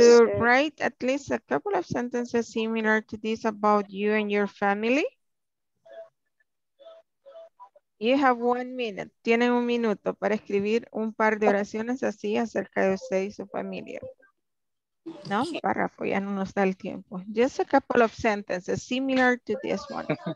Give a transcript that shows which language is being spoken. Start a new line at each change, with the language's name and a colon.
English: you write at least a couple of sentences similar to this about you and your family? You have 1 minute.
Spanish: Tienen un minuto para escribir un par de oraciones así acerca de usted y su familia. No, un párrafo, ya no nos da el tiempo.
English: Just a couple of sentences similar to this one.